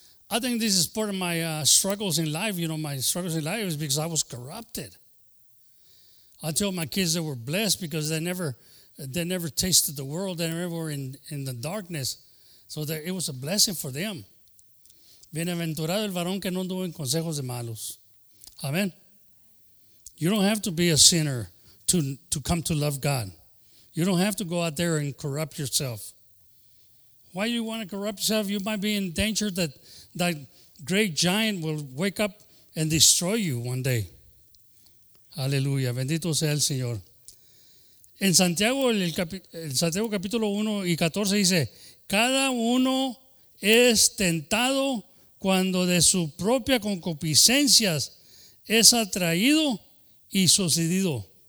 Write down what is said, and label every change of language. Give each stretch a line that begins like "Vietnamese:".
English: I think this is part of my struggles in life. You know, my struggles in life is because I was corrupted. I told my kids they were blessed because they never tasted the world. They never were in the darkness. So that it was a blessing for them.
Spanish: Bienaventurado el varón que no anduvo en consejos de malos.
English: Amen. You don't have to be a sinner to come to love God. You don't have to go out there and corrupt yourself. Why do you want to corrupt yourself? You might be in danger that great giant will wake up and destroy you one day.
Spanish: Aleluya. Bendito sea el Señor. En Santiago, Santiago capítulo 1 y 14 dice, cada uno es tentado cuando de su propia concupiscencia es atraído y sucedido.